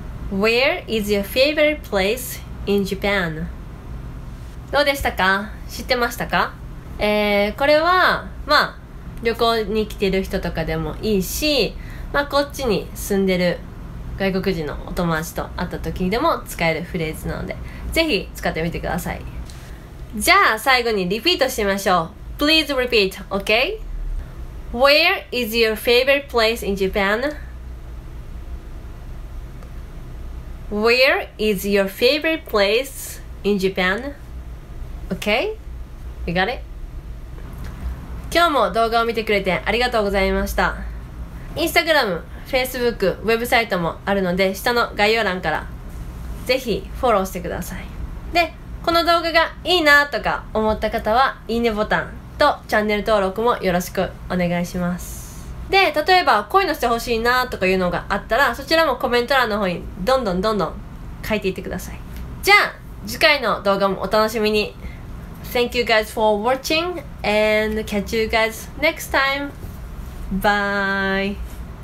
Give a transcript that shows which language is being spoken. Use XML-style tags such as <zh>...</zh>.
<en>Where is your favorite place in Japan?</en> <ja>どうでしたか？知ってましたか？これはまあ旅行に来てる人とかでもいいし、まあこっちに住んでる外国人のお友達と会った時にでも使えるフレーズなので、ぜひ使ってみてください。じゃあ最後にリピートしましょう。</ja> <en>Please repeat, OK? Where is your favorite place in Japan? Where is your favorite place in Japan? OK? You got it?</en> <ja>今日も動画を見てくれてありがとうございました。Instagram、Facebook、ウェブサイトもあるので、下の概要欄からぜひフォローしてください。で、この動画がいいなとか思った方は、いいねボタンとチャンネル登録もよろしくお願いします。で、例えば声のしてほしいなとかいうのがあったら、そちらもコメント欄の方にどんどんどんどん書いていってください。じゃあ、次回の動画もお楽しみに。</ja> <en>Thank you guys for watching and catch you guys next time. Bye!</en>